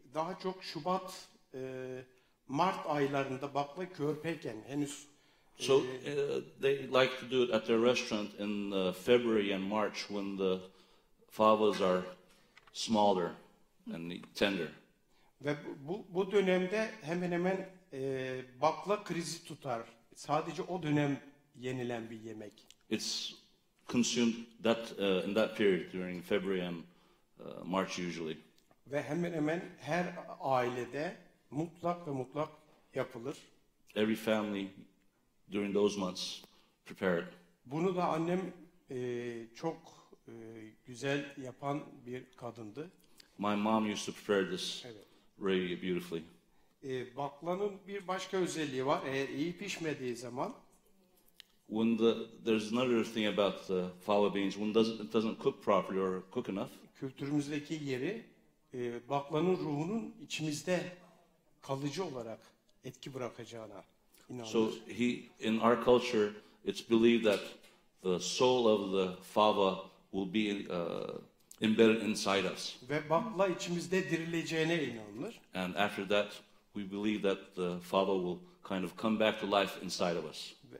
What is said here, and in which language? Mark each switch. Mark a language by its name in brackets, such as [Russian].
[Turkish] Daha çok Şubat, Mart aylarında bakla körpeyken henüz. [English] So they like to do it at their restaurant in February and March when the favas are smaller and tender. [Turkish] Ve bu dönemde hemen hemen bakla krizi tutar. Sadece o dönem yenilen bir yemek. [English] It's consumed that in that period during February and March usually. [Turkish] Ve hemen hemen her ailede mutlak ve mutlak yapılır. [English] Every family during those months prepare it. [Turkish] Bunu da annem çok güzel yapan bir kadındı. [English] My mom used to prepare this. Evet. Really beautifully. [Turkish] Baklanın bir başka özelliği var. Eğer iyi pişmediği zaman. [English] When there's another thing about the fava beans, when it doesn't cook properly or cook enough. [Turkish] Kültürümüzdeki yeri, baklanın ruhunun içimizde kalıcı olarak etki bırakacağına inanılır. [English] So in our culture, it's believed that the soul of the fava will be embedded inside us. [Turkish] Ve bakla içimizde dirileceğine inanılır. [English] And after that, we believe that the fava will kind of come back to life inside of us.